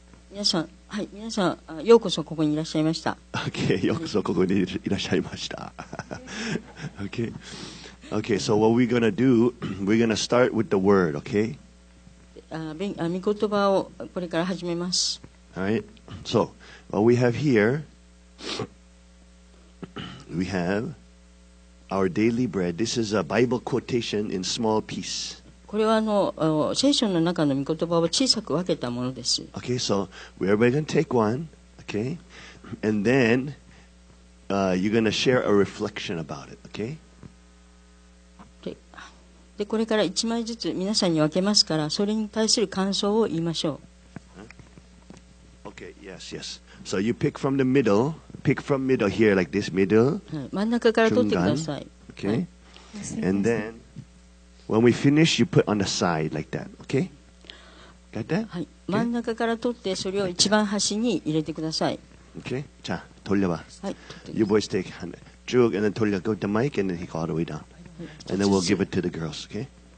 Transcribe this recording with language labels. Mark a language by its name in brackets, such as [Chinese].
[Japanese] 皆さん、はい、皆さん、ようこそここにいらっしゃいました。 Okay, ようこそここにいらっしゃいました。 [English] Okay. Okay, so what we're gonna do, we're gonna start with the word, okay? [Japanese] 御言葉をこれから始めます。 [English] Alright, so what we have here, we have our daily bread. This is a Bible quotation in small piece. [Japanese] これはあの聖書の中の御言葉を小さく分けたものです。 [English] Okay, so we're going to take one, okay? And then, you're going to share a reflection about it, okay? [Japanese] で、これから1枚ずつ皆さんに分けますから、それに対する感想を言いましょう。 [English] Huh? Okay, yes, yes. So you pick from the middle, pick from middle here, like this middle. [Japanese] 真ん中から取ってください。 [English] Okay? And then,When we finish, you put on the side like that, okay? Got that? [Japanese] はい。真ん中から取って、それを一番端に入れてください。 Okay? じゃあ、取れば。はい。 [English] You boys take a hand. Drew, and then [Japanese] 取れば。 [English] Go to the mic, and then he go all the way down. And then we'll give it to the girls, okay?